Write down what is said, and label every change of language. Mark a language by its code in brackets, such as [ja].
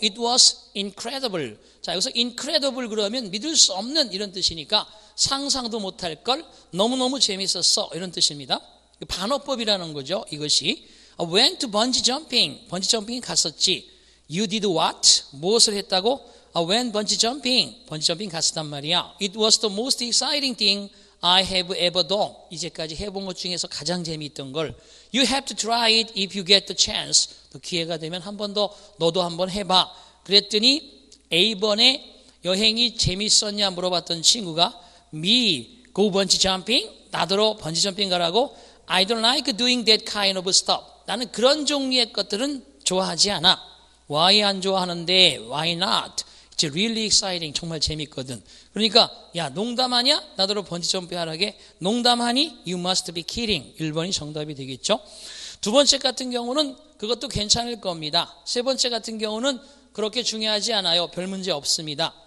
[en] It was incredible. [ko] 자, 여기서 incredible 그러면 믿을 수 없는 이런 뜻이니까 상상도 못할 걸 너무너무 재밌었어 이런 뜻입니다. 반어법이라는 거죠, 이것이. [en] Went to bungee jumping. [ko] 번지 점핑 갔었지. [en] You did what? [ko] 무엇을 했다고? [en] Went bungee jumping. [ko] 번지 점핑 갔었단 말이야. [en] It was the most exciting thing I have ever done. [ko] 이제까지 해본 것 중에서 가장 재미있던 걸. [en] You have to try it if you get the chance. [ko] 또 기회가 되면 한 번 더 너도 한번 해봐. 그랬더니 A번에 여행이 재밌었냐 물어봤던 친구가 [en] Me, go bungee jumping? [ko] 나더러 번지 점핑 가라고? [en] I don't like doing that kind of stuff. [ko] 나는 그런 종류의 것들은 좋아하지 않아. [en] Why [ko] 안 좋아하는데? [en] Why not? It's really exciting. [ko] 정말 재밌거든. 그러니까 야 농담하냐? 나더러 번지점핑 하라게. 농담하니? [en] You must be kidding. [ko] 1번이 정답이 되겠죠. 두 번째 같은 경우는 그것도 괜찮을 겁니다. 세 번째 같은 경우는 그렇게 중요하지 않아요. 별 문제 없습니다.